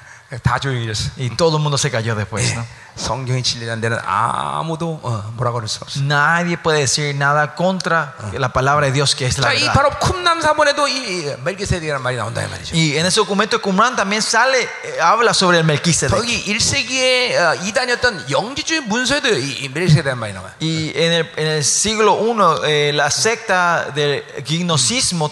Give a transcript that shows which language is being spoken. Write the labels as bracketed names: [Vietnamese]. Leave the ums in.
[Spanish] y todo el mundo se cayó después, ¿no? [Korean] 성경의 진리라는 데는 아무도 어, 뭐라고 할수 없어요. [Spanish] Nadie puede decir nada contra 어. la palabra de Dios que es 자, la verdad. [Korean] 자, 이 바로 쿰남 사본에도 이 멜기세덱이라는 말이 나온다 이 말이죠. [Spanish] Y en ese documento de Qumran también sale habla sobre el Melquisedec. [Korean] 거기 1세기에 어, 이단이었던 영지주의 문서에도 이, 이 멜기세덱이라는 말이 나와요. [Spanish] Y 어. en el en el siglo 1 eh, la secta del gnosismo 음.